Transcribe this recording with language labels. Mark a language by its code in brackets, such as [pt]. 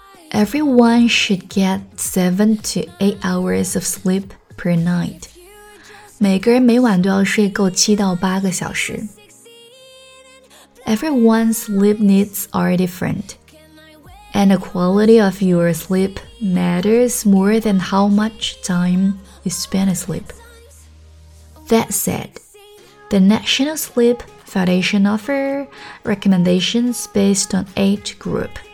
[en] Everyone should get 7 to 8 hours of sleep per night. [zh] 每个人每晚都要睡够7到8个小时。 [en] Everyone's sleep needs are different, and the quality of your sleep matters more than how much time you spend asleep. That said, the National Sleep Foundation offer recommendations based on age group.